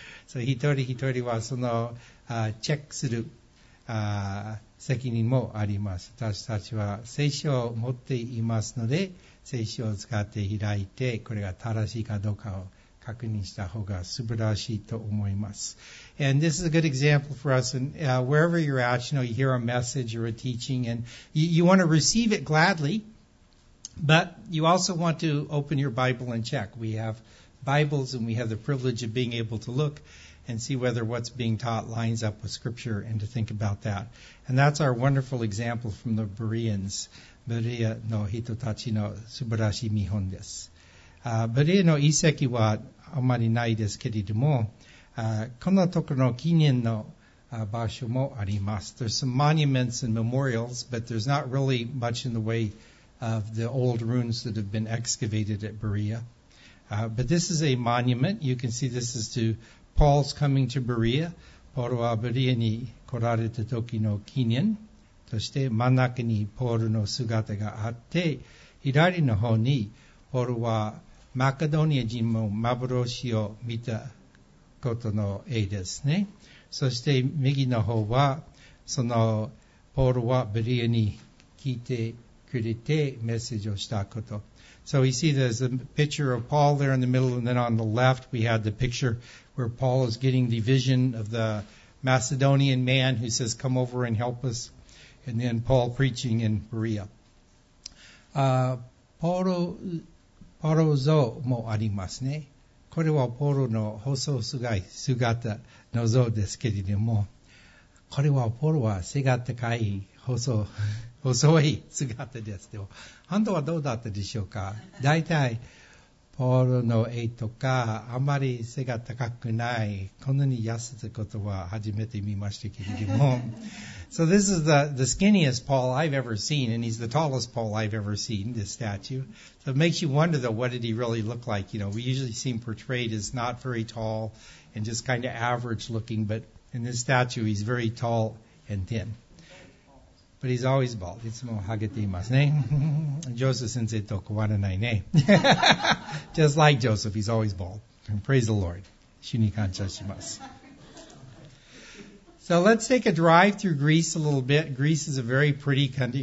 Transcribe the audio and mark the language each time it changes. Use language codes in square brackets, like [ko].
[ja] So, 一人一人は、その、チェックする、責任もあります。私たちは、聖書を持っていますので、聖書を使って開いて、これが正しいかどうかを確認した方が素晴らしいと思います。 [en] And this is a good example for us. And wherever you're at, you know, you hear a message or a teaching, and you want to receive it gladly. But you also want to open your Bible and check. We have Bibles and we have the privilege of being able to look and see whether what's being taught lines up with Scripture and to think about that. And that's our wonderful example from the Bereans. [ja] Berea の人たちの素晴らしい見本です。Berea の遺跡はあまりないですけれども、このところの記念の場所もあります。 [en] There's some monuments and memorials, but there's not really much in the way of the old ruins that have been excavated at Berea. But this is a monument. You can see this is to Paul's coming to Berea. [ja] ポールはベリアに来られた時の記念。そして真ん中にポールの姿があって、左の方にポールはマカドニア人の幻を見たことの絵ですね。そして右の方は、そのポールはベリアに来てくれてメッセージをしたこと。 [en] So we see there's a picture of Paul there in the middle, and then on the left we had the picture where Paul is getting the vision of the Macedonian man who says, come over and help us. And then Paul preaching in Berea. [ja] ポロ像もありますね。これはポロの細い姿の像ですけれども、これはポロは背が高い細い姿です。でも、本当はどうだったでしょうか。大体、ポロの絵とか、あまり背が高くない、こんなに痩せたことは初めて見ましたけれども。 [en] So this is the skinniest Paul I've ever seen, and he's the tallest Paul I've ever seen, this statue. So it makes you wonder, though, what did he really look like? You know, we usually see him portrayed as not very tall and just kind of average looking, but in this statue, he's very tall and thin. But he's always bald. [ja] いつもハゲていますね。 Joseph 先生と変わらないね。 [en] Just like Joseph, he's always bald. And praise the Lord. [ja] 主に感謝します。 [en] So let's take a drive through Greece a little bit. Greece is a very pretty country.